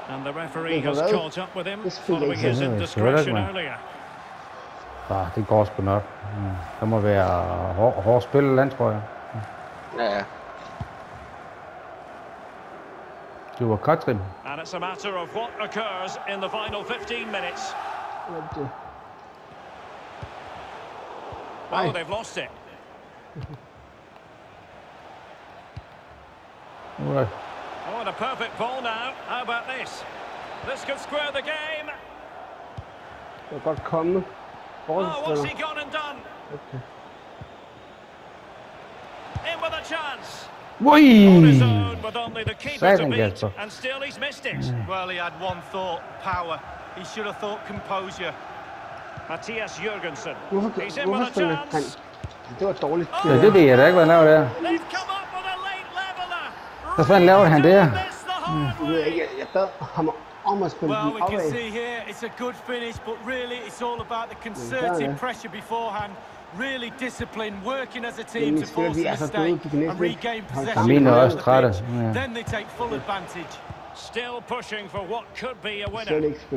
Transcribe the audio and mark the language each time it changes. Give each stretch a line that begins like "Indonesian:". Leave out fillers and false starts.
English: And the referee has caught up with him, following his indiscretion earlier.
Danish: Bah, det går sgu nok. Der må være hårdt spil eller andet, tror jeg. Ja. Du var Katrin.
English: And it's a matter of what occurs in the final 15 minutes. Oh, they've lost it. Right. Oh, and a perfect ball now. How about this? This could square the game.
Danish: Det er godt kommet.
English: Oh, what's he gone and done? Okay. In with a chance. Whee! On his own, but only the keeper to beat, and still he's missed it. Well, he had one thought, power. He should have thought composure. Mathias Jürgensen. He's in with a chance.
Danish: Det var dårligt. Ja, det ved jeg da ikke, hvad han laver der.
English: They've come up with a late leveler.
Danish: Hvad fanden laver han der? Jeg bad ham om at spille den afvæg.
English: Well, we can see here, it's a good finish, but really, it's all about the concerted pressure beforehand. Really disciplined, working as a team to force the mistake and regain possession of the pitch. Then they take full advantage. Still pushing for what could be a winner.